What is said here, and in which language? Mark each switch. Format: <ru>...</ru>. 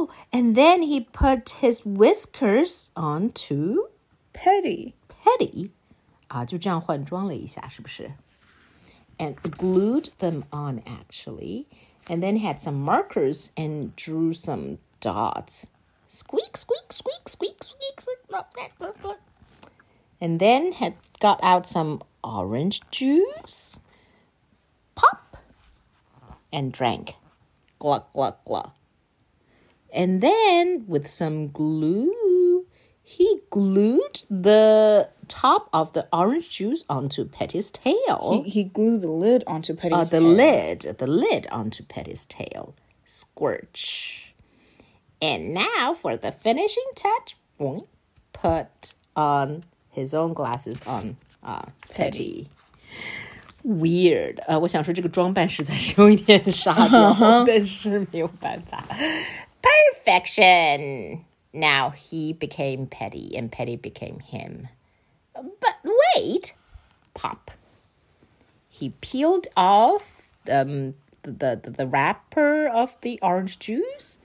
<en>And then he put his whiskers on to Petty.</en> <zh>啊，就这样换装了一下，是不是？</zh> <en>And glued them on, actually. And then had some markers and drew some dots. Squeak, squeak, squeak, squeak, squeak, squeak. And then had got out some orange juice. Pop. And drank. Gluck, gluck, gluck. And then, with some glue, he glued the top of the orange juice onto Petty's tail. He glued the lid onto Petty's tail. The lid onto Petty's tail. Squirch. And now, for the finishing touch, put on his own glasses on Petty. Weird.</en> <zh>我想说这个装扮实在是有一点傻掉、但是没有办法。</zh> <en>Perfection! Now he became Petty and Petty became him. But wait! Pop. He peeled off the wrapper of the orange juice.</en>